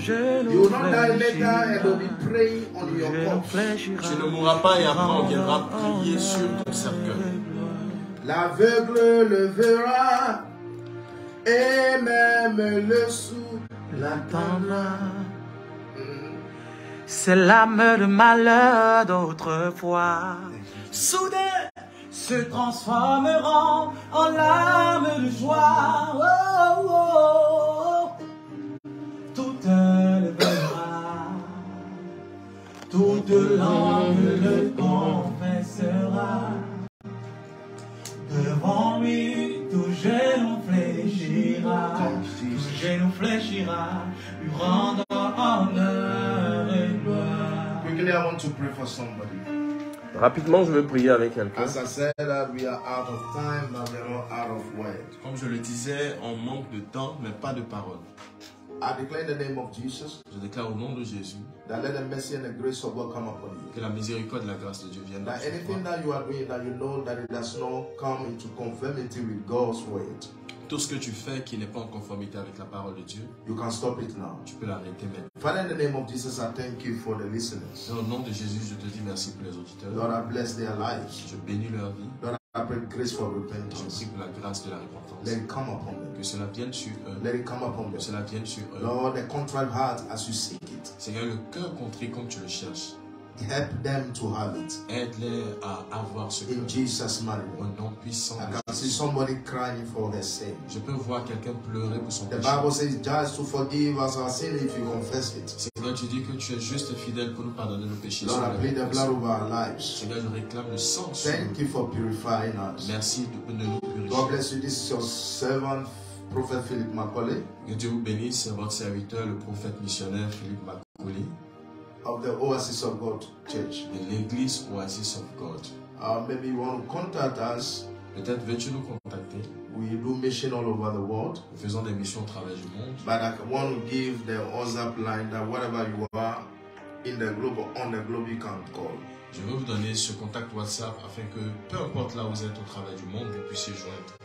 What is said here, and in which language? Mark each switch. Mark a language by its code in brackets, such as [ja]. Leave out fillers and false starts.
[en] You will not die later and will be praying on your corpse. [fr] Tu ne mourras pas et après on viendra prier sur ton cercueil. L'aveugle le verra et même le sourd l'entendra. C'est l'âme de malheur d'autrefois. Soudain se transformeront en l'âme de joie. Oh, oh, oh. Tout le verra, tout l'âme le confessera. Devant lui, tout genou fléchira. Tout genou fléchira, lui rendra honneur et gloire. [en] Quickly, I want to pray for somebody. [fr] Rapidement, je veux prier avec quelqu'un. Comme je le disais, on manque de temps, mais pas de parole. [en] I declare the name of Jesus. [fr] Je déclare au nom de Jésus. [en] That let the mercy and the grace of God come upon you. [fr] Que la miséricorde et la grâce de Dieu viennent sur toi. [en] That anything that you are doing, that you know that it does not come into conformity with God's word. [fr] Tout ce que tu fais qui n'est pas en conformité avec la parole de Dieu, [en] you can stop it now. [fr] Tu peux l'arrêter maintenant. [en] Father, in the name of Jesus, I thank you for the listeners. [fr] Au nom de Jésus, je te dis merci pour les auditeurs. [en] Lord, I bless their lives. [fr] Je bénis leur vie. [en] Lord, I pray grace for repentance. [fr] Je prie pour la grâce de la repentance. [en] Let it come upon them. [fr] Que cela vienne sur eux. [en] Let it come upon them. [fr] Que cela vienne sur eux. [en] Lord, the contrite heart as you seek it. [fr] Seigneur, le cœur contrit comme tu le cherches. [en] Help them to have it. [fr] Aide-les à avoir ce [en] in Jesus' name. [fr] Au nom puissant. [en] I can see somebody crying for their sin. [fr] Je peux voir quelqu'un pleurer pour son péché. [en] The Bible says just to forgive us our sin if you confess it. [fr] Seigneur, tu dis que tu es juste et fidèle pour nous pardonner nos péchés. [en] Lord, I plead the blood over our lives. [fr] Seigneur, je réclame le sang. [en] Thank you for purifying us. [fr] Merci de nous purifier. [en] God bless you. This is your servant, Prophet Philip Macaulay. [fr] Que Dieu vous bénisse. C'est votre serviteur, le prophète missionnaire Philip Macaulay. [en] Of the Oasis of God Church. [fr] De l'église Oasis of God. [en] Maybe you want to contact us. [fr] Peut-être veux-tu nous contacter. [en] We do mission all over the world. [fr] Nous faisons des missions à travers le monde. [en] But I want to give the WhatsApp line that wherever you are in the globe or on the globe you can call. [fr] Je veux vous donner ce contact WhatsApp afin que peu importe là où vous êtes au travers du monde, vous puissiez joindre.